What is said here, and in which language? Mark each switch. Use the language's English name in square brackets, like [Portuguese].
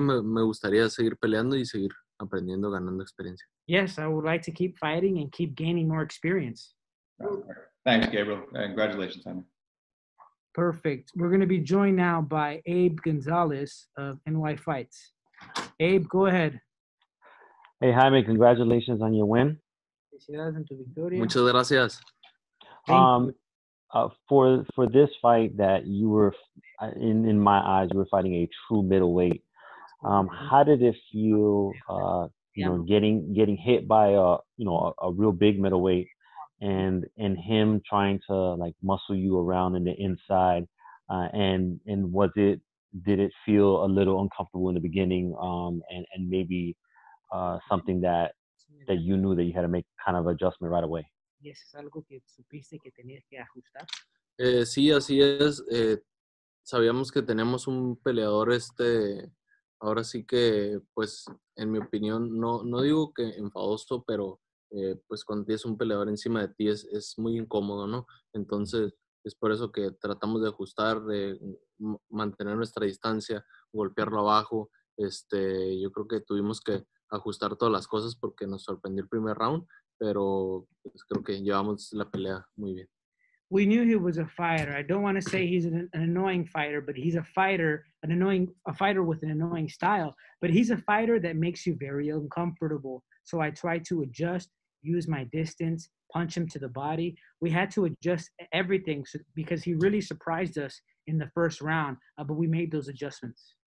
[Spanish] Me gustaría seguir peleando y seguir aprendiendo, ganando experiencia. [English] Yes, I would like to keep fighting and keep gaining more experience. Thanks, Gabriel. Congratulations, Jaime. Perfect. We're going to be joined now by Abe Gonzalez of NY Fights. Abe, go ahead. Hey, Jaime. Congratulations on your win. [Spanish] Felicidades en tu victoria. Muchas gracias. [English] For this fight that you were, in my eyes, you were fighting a true middleweight. How did it feel, getting hit by a real big middleweight, and him trying to like muscle you around in the inside, and was it, did it feel a little uncomfortable in the beginning, and maybe something that you knew that you had to make kind of adjustment right away? [Spanish] ¿Y eso es algo que supiste que tenías que ajustar? Sí, así es. Sabíamos que tenemos un peleador ahora sí que, pues, en mi opinión, no digo que enfadoso, pero pues cuando tienes un peleador encima de ti es muy incómodo, ¿no? Entonces, es por eso que tratamos de ajustar, de mantener nuestra distancia, golpearlo abajo. Yo creo que tuvimos que ajustar todas las cosas porque nos sorprendió el primer round. Pero pues, creo que llevamos la pelea muy bien. [English] We knew he was a fighter. I don't want to say he's an annoying fighter, but he's a fighter, a fighter with an annoying style. But he's a fighter that makes you very uncomfortable. So I tried to adjust, use my distance, punch him to the body. We had to adjust everything because he really surprised us in the first round, but we made those adjustments.